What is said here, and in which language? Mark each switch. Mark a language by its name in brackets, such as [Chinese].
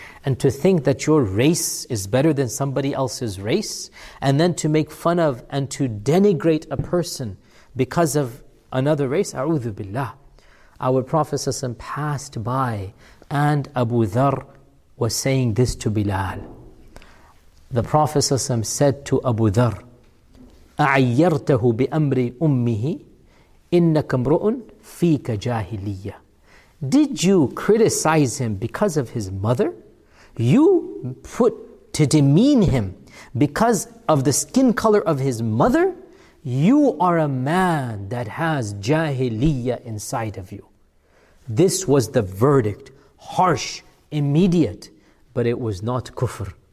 [English] And to think that your race is better than somebody else's race, and then to make fun of and to denigrate a person because of another race, a'udhu billah. Our Prophet ﷺ passed by and Abu Dharr was saying this to Bilal. The Prophet ﷺ said to Abu Dharr, [Arabic] أَعَيَّرْتَهُ بِأَمْرِ أُمِّهِ إِنَّكَ امْرُؤٌ فِيكَ جَاهِلِيَّةٌ. [English] Did you criticize him because of his mother? You put to demean him because of the skin color of his mother? You are a man that has jahiliyyah inside of you. This was the verdict, harsh, immediate, but it was not kufr.